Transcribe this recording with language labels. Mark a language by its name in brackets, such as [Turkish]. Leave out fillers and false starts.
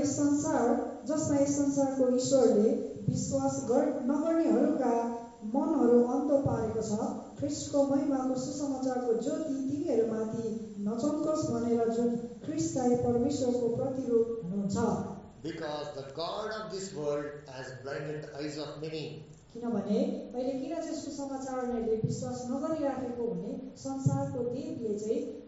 [Nepali] जसमा यस संसारको ईश्वरले विश्वास नगर्नेहरूका मनहरू अन्त पारेको छ, ख्रीष्टको महिमाको सुसमाचारको ज्योति तिनीहरूमाथि नचम्कोस् भनेर जुन ख्रीष्टलाई परमेश्वरको प्रतिरूप हुनुहुन्छ। [English] Because the God of this world has blinded the eyes of many. [Nepali] किनभने अहिले किन चाहिँ सुसमाचारले विश्वास नगरिराखेको भने संसारको देवले चाहिँ